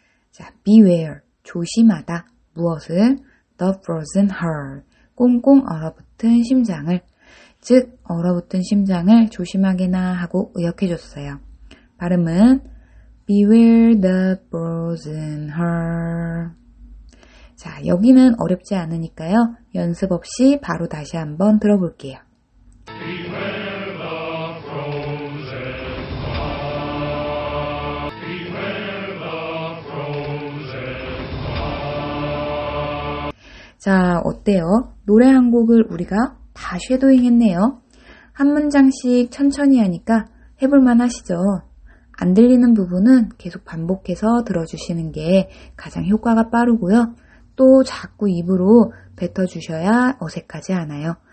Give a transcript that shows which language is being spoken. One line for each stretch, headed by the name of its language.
Korean: 자, beware, 조심하다, 무엇을? The frozen heart, 꽁꽁 얼어붙은 심장을. 즉, 얼어붙은 심장을 조심하게나 하고 의역해줬어요. 발음은
English: beware the frozen heart.
Korean: 자, 여기는 어렵지 않으니까요. 연습 없이 바로 다시 한번 들어볼게요.
English: beware the frozen heart.
Korean: 자, 어때요? 노래 한 곡을 우리가 다 쉐도잉 했네요. 한 문장씩 천천히 하니까 해볼만 하시죠? 안 들리는 부분은 계속 반복해서 들어주시는 게 가장 효과가 빠르고요. 또 자꾸 입으로 뱉어주셔야 어색하지 않아요.